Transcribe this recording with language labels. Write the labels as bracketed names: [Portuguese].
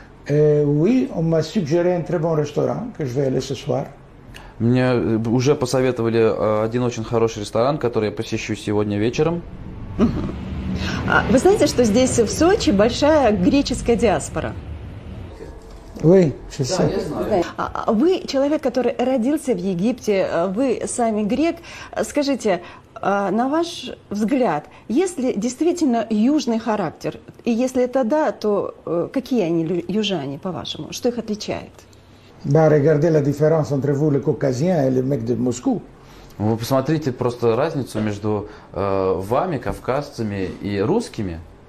[French] Oui, on m'a suggéré un très bon restaurant que je vais aller ce soir. [Russian] Мне уже посоветовали один очень хороший ресторан, который я посещу сегодня вечером. Вы знаете, что здесь в Сочи большая греческая диаспора? [French] Oui, [Russian] да, я знаю. Вы человек, который родился в Египте, вы сами грек. Скажите, на ваш взгляд, есть ли действительно южный характер? И если это да, то какие они южане, по-вашему? Что их отличает? [French] Bah, regardez la différence entre vous, les Caucasiens, et les mecs de Moscou. [Russian] Вы посмотрите просто разницу между вами, кавказцами, и русскими.